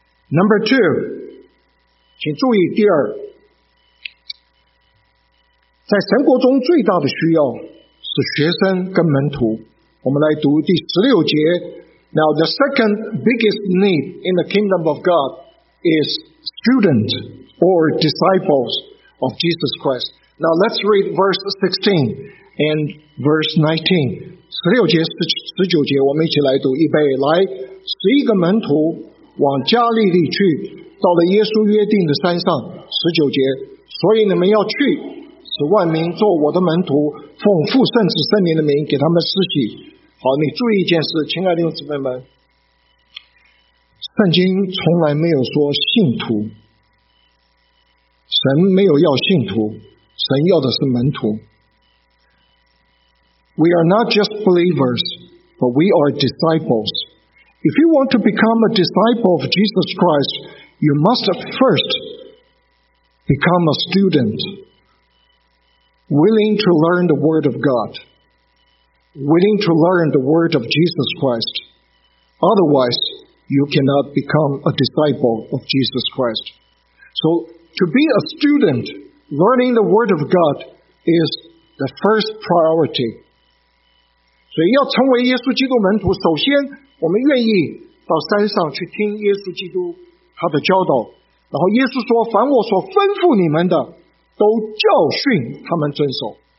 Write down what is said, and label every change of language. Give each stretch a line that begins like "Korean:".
English: Number two,
Chinese: 请注意第二，在神国中最大的需要是学生跟门徒。我们来读第16节。
English: Now the second biggest need in the kingdom of God is student or disciples of Jesus Christ. Now let's read verse 16 and verse 19.
Chinese: 16节、19节我们一起来读，预备，来。 11个门徒往加利利去，到了耶稣约定的山上。 19节，所以你们要去，使万民做我的门徒，奉父圣子圣灵的名给他们施洗。好，你注意一件事，亲爱的弟兄姊妹们，圣经从来没有说信徒，神没有要信徒，神要的是门徒。
English: We are not just believers, but we are disciples. If you want to become a disciple of Jesus Christ, you must first become a studentWilling to learn the word of God. Willing to learn the word of Jesus Christ. Otherwise, you cannot become a disciple of Jesus Christ. So, to be a student, learning the word of God is the first priority.
Chinese: 所以要成为耶稣基督门徒，首先我们愿意到山上去听耶稣基督他的教导。然后耶稣说，凡我所吩咐你们的都教训他们遵守。